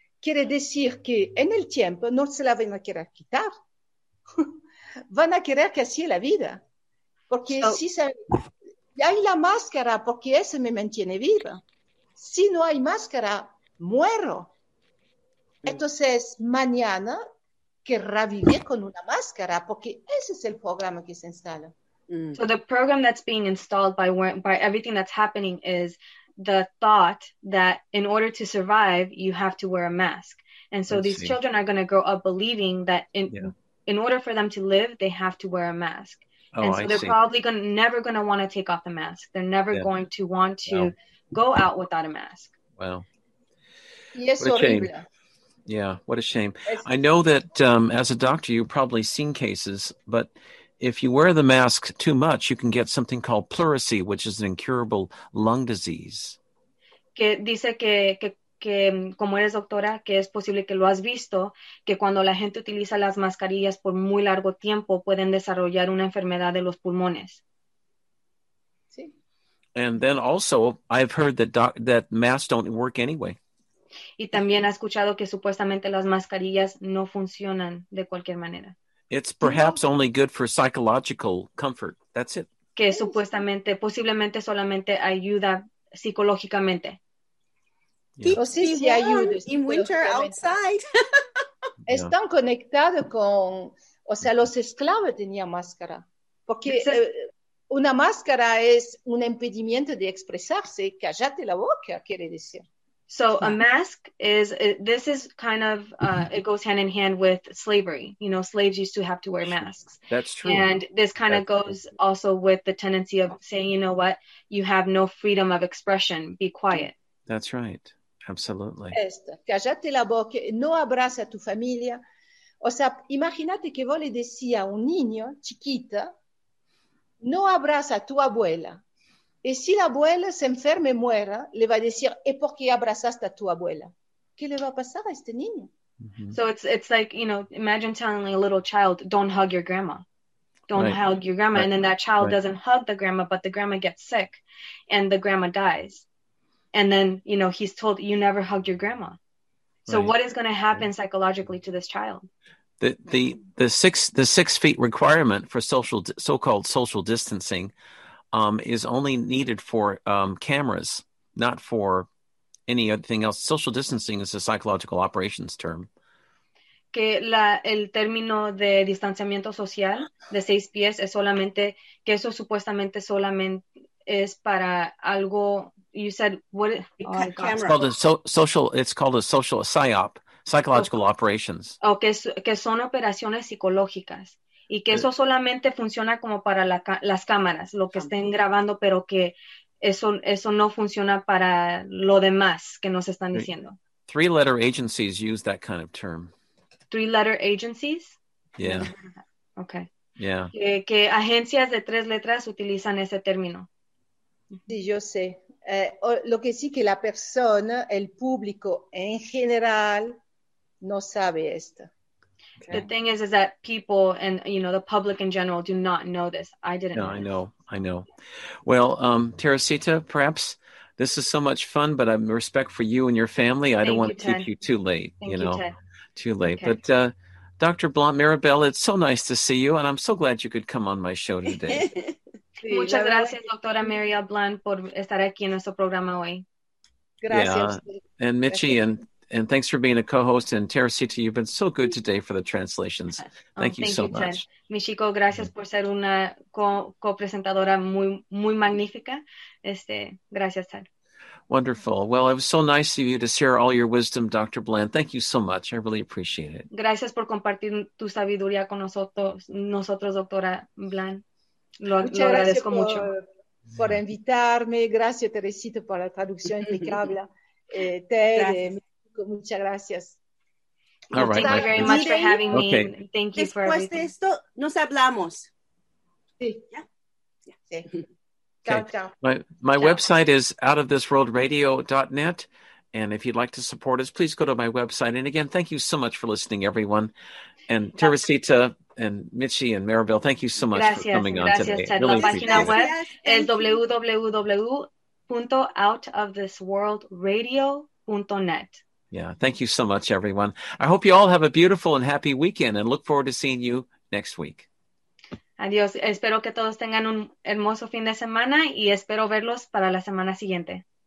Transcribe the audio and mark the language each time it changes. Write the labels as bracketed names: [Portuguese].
[Spanish] Quiere decir que en el tiempo no se la van a querer quitar, van a querer que así es la vida, porque hay la máscara porque ese me mantiene viva. Si no hay máscara, muero. Entonces, mañana querrá vivir con una máscara, porque ese es el programa que se instala. [English] So the program that's being installed by everything that's happening is the thought that in order to survive, you have to wear a mask. And so children are going to grow up believing that in order for them to live, they have to wear a mask. Probably never going to want to take off the mask. They're never going to want to go out without a mask. Wow. Yes, what a shame. Yeah, what a shame. I know that as a doctor, you've probably seen cases, but if you wear the mask too much, you can get something called pleurisy, which is an incurable lung disease. [Spanish] Que dice que como eres doctora, que es posible que lo has visto, que cuando la gente utiliza las mascarillas por muy largo tiempo, pueden desarrollar una enfermedad de los pulmones. Sí. [English] And then also, I've heard that masks don't work anyway. [Spanish] Y también ha escuchado que supuestamente las mascarillas no funcionan de cualquier manera. [English] It's perhaps only good for psychological comfort. That's it. [Spanish] Que supuestamente, posiblemente solamente ayuda psicológicamente. [English] Yeah. [Spanish] Sí, ayuda. [English] In winter outside. [Spanish] Están conectados con, o sea, los esclavos tenían máscara. Porque una máscara es un impedimento de expresarse. Cállate la boca, quiere decir. [English] So a mask is, this is kind of, it goes hand in hand with slavery. You know, slaves used to have to wear masks. That's true. And this kind of goes also with the tendency of saying, you know what, you have no freedom of expression, be quiet. That's right. Absolutely. [Spanish] Cállate la boca, no abraza tu familia. O sea, imagínate que vos le decís a un niño chiquito, no abraza tu abuela. Y si la abuela se enferma y muera, le va a decir, ¿y por qué abrazaste a tu abuela? ¿Qué le va a pasar a este niño? Mm-hmm. [English] So it's like, you know, imagine telling a little child, don't hug your grandma. Hug your grandma. Right. And then that child doesn't hug the grandma, but the grandma gets sick and the grandma dies. And then, you know, he's told, you never hugged your grandma. So what is going to happen psychologically to this child? The six feet requirement for so-called social distancing is only needed for cameras, not for anything else. Social distancing is a psychological operations term. [Spanish] Que el término de distanciamiento social de 6 pies es solamente, que eso supuestamente solamente es para algo, [English] you said, what? It's called a social PSYOP, psychological operations. [Spanish] O que son operaciones psicológicas. Y que eso solamente funciona como para las cámaras, lo que estén grabando, pero que eso no funciona para lo demás que nos están diciendo. [English] three-letter agencies use that kind of term. Three-letter agencies? Yeah. Okay. Yeah. [Spanish] Que agencias de tres letras utilizan ese término. Sí, yo sé. Lo que sí que la persona, el público en general, no sabe esto. [English] Okay. The thing is that people and, you know, the public in general do not know this. I didn't know. No, I know. I know. Well, Teresita, perhaps this is so much fun, but I'm respect for you and your family. I don't want to keep you too late, you know, too late. But Dr. Blanc, Mirabel, it's so nice to see you. And I'm so glad you could come on my show today. [Spanish] Sí, muchas gracias, doctora Mirabel Blanc, por estar aquí en nuestro programa hoy. Gracias. [English] Yeah. And Michi [Spanish] gracias. [English] And thanks for being a co-host. And Teresita, you've been so good today for the translations. Thank you so much. [Spanish] Michiko, gracias por ser una co-presentadora muy, muy magnífica. Gracias, Ted. [English] Wonderful. Well, it was so nice of you to share all your wisdom, Dr. Bland. Thank you so much. I really appreciate it. [Spanish] Gracias por compartir tu sabiduría con nosotros, doctora Bland. Lo agradezco mucho. Por invitarme. Gracias, Teresita, por la traducción impecable. Ted, muchas gracias. [English] All right, thank you very much for having me. Okay. Thank you [Spanish] Después [English] for everything. [Spanish] Después de esto, nos hablamos. Sí. [English] Yeah. Yeah. [Spanish] Sí. [English] Okay. Ciao, ciao. My website is outofthisworldradio.net. And if you'd like to support us, please go to my website. And again, thank you so much for listening, everyone. And Teresita and Michi and Mirabel, thank you so much for coming on today. [Spanish] Gracias, [English] really appreciate it. www.outofthisworldradio.net. Yeah, thank you so much, everyone. I hope you all have a beautiful and happy weekend and look forward to seeing you next week. [Spanish] Adiós. Espero que todos tengan un hermoso fin de semana y espero verlos para la semana siguiente.